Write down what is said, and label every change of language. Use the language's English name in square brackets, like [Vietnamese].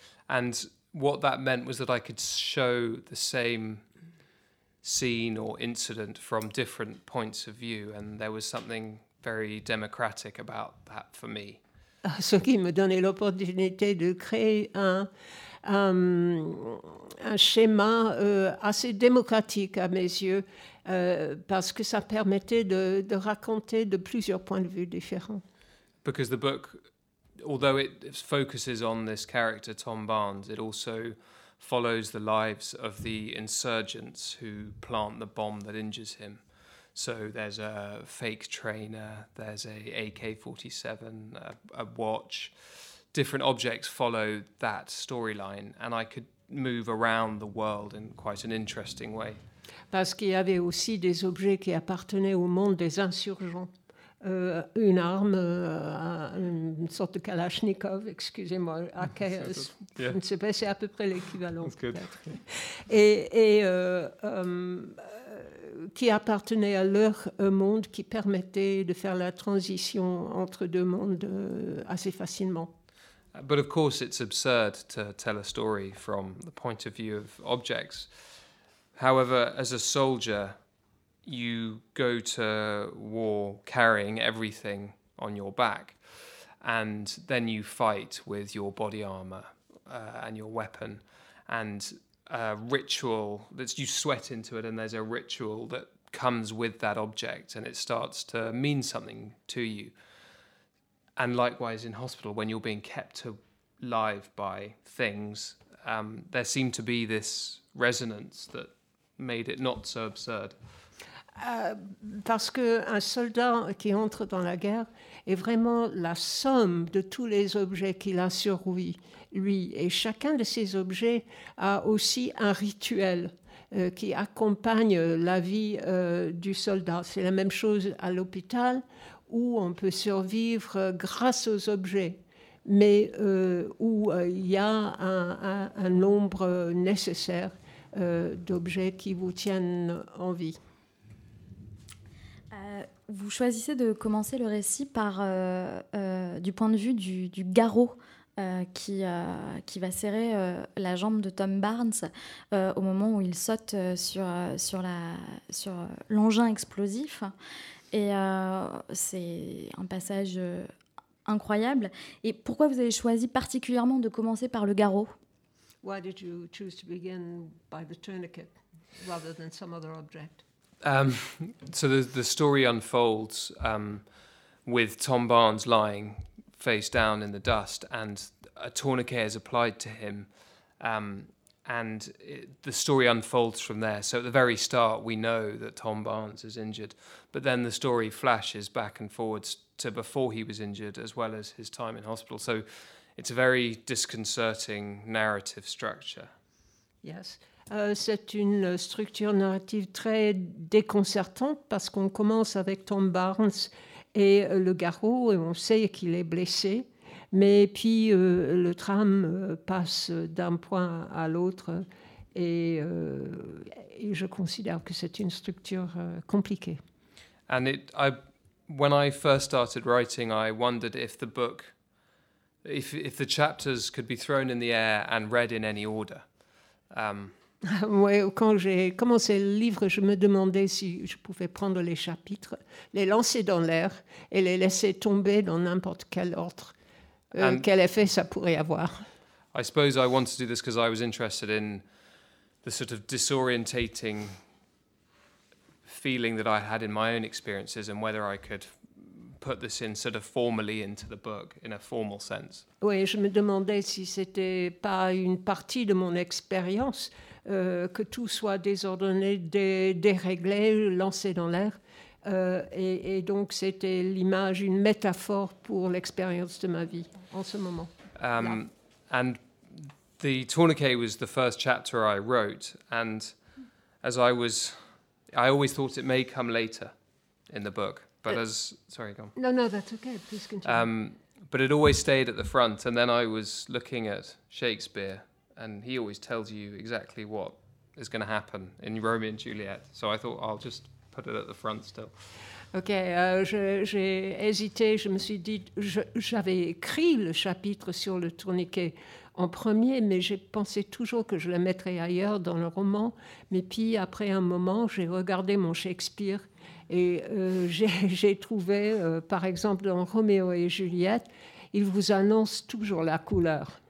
[English] And what that meant was that I could show the same scene or incident from different points of view, and there was something very democratic about that for me. [French] Ce qui me donnait l'opportunité de créer un schéma assez démocratique à mes yeux. Parce que ça permettait de raconter de plusieurs points de vue différents. [English] Because the book, although it focuses on this character, Tom Barnes, it also follows the lives of the insurgents who plant the bomb that injures him. So there's a fake trainer, there's a AK-47, a watch. Different objects follow that storyline, and I could move around the world in quite an interesting way. [French] parce qu'il y avait aussi des objets qui appartenaient au monde des insurgents. Une arme, une sorte de Kalachnikov, excusez-moi, AKS, je ne sais pas, c'est à peu près l'équivalent. [English] That's good. [French] Qui appartenait à leur monde, qui permettait de faire la transition entre deux mondes assez facilement. [English] But of course, it's absurd to tell a story from the point of view of objects. However, as a soldier, you go to war carrying everything on your back, and then you fight with your body armor and your weapon, and a ritual that you sweat into it, and there's a ritual that comes with that object, and it starts to mean something to you. And likewise in hospital, when you're being kept alive by things, there seemed to be this resonance that made it not so absurd. [French] Parce qu'un soldat qui entre dans la guerre est vraiment la somme de tous les objets qu'il a sur lui. Et chacun de ces objets a aussi un rituel qui accompagne la vie du soldat. C'est la même chose à l'hôpital, où on peut survivre grâce aux objets, mais où il y a un nombre nécessaire d'objets qui vous tiennent en vie. Vous choisissez de commencer le récit par du point de vue du garrot qui va serrer la jambe de Tom Barnes au moment où il saute sur l'engin explosif. Et c'est un passage incroyable. Et pourquoi vous avez choisi particulièrement de commencer par le garrot ? [English] Why did you choose to begin by the tourniquet rather than some other object? So the story unfolds with Tom Barnes lying face down in the dust, and a tourniquet is applied to him, the story unfolds from there. So at the very start, we know that Tom Barnes is injured, but then the story flashes back and forwards to before he was injured, as well as his time in hospital. So it's a very disconcerting narrative structure. Yes. [French] C'est une structure narrative très déconcertante parce qu'on commence avec Tom Barnes et le garrot et on sait qu'il est blessé. Mais puis le tram passe d'un point à l'autre et je considère que c'est une structure compliquée. [English] And when I first started writing, I wondered if the book, if the chapters could be thrown in the air and read in any order. [French] Quand j'ai commencé le livre, je me demandais si je pouvais prendre les chapitres, les lancer dans l'air et les laisser tomber dans n'importe quel ordre. Quel effet ça pourrait avoir? [English] I suppose I wanted to do this because I was interested in the sort of disorientating feeling that I had in my own experiences and whether I could put this in sort of formally into the book in a formal sense. [French] Oui, je me demandais si c'était pas une partie de mon expérience. Que tout soit désordonné, déréglé, lancé dans l'air. Et donc, c'était l'image, une métaphore pour l'expérience de ma vie en ce moment. [English] And the tourniquet was the first chapter I wrote. And as I was, I always thought it may come later in the book. But as, sorry, go on. No, that's okay. Please continue. But it always stayed at the front. And then I was looking at Shakespeare. And he always tells you exactly what is going to happen in Romeo and Juliet. So I thought I'll just put it at the front still. [French] OK, j'ai hésité, je me suis dit, j'avais écrit le chapitre sur le tourniquet en premier, mais j'ai pensé toujours que je le mettrais ailleurs dans le roman. Mais puis après un moment, j'ai regardé mon Shakespeare et j'ai trouvé, par exemple, dans Romeo et Juliette, il vous annonce toujours la couleur.